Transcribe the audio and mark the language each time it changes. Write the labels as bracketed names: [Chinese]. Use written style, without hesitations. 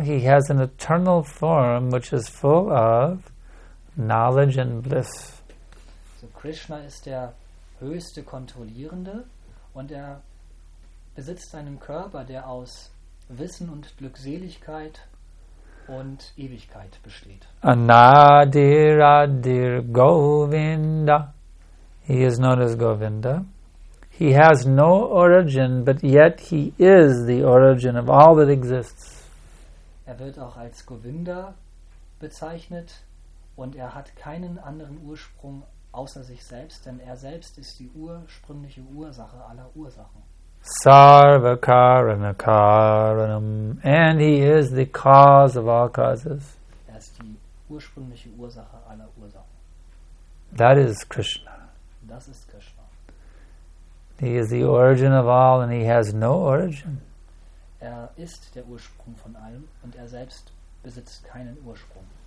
[English] He has an eternal form which is full of knowledge and bliss. [German] So Krishna ist der höchste Kontrollierende und er besitzt einen Körper, der aus Wissen und Glückseligkeit und Ewigkeit besteht. [Sanskrit] Anadir Adir Govinda. [English] He is known as Govinda. He has no origin, but yet he is the origin of all that exists. [German] Er wird auch als Govinda bezeichnet und er hat keinen anderen Ursprung außer sich selbst, denn er selbst ist die ursprüngliche Ursache aller Ursachen. [Sanskrit] Sarva karana karanam, [English] and he is the cause of all causes. [German] Er ist die ursprüngliche Ursache aller Ursachen. [English] That is Krishna. [German] Das ist Krishna. [English] He is the origin of all and he has no origin. [German] Er ist der Ursprung von allem und er selbst besitzt keinen Ursprung.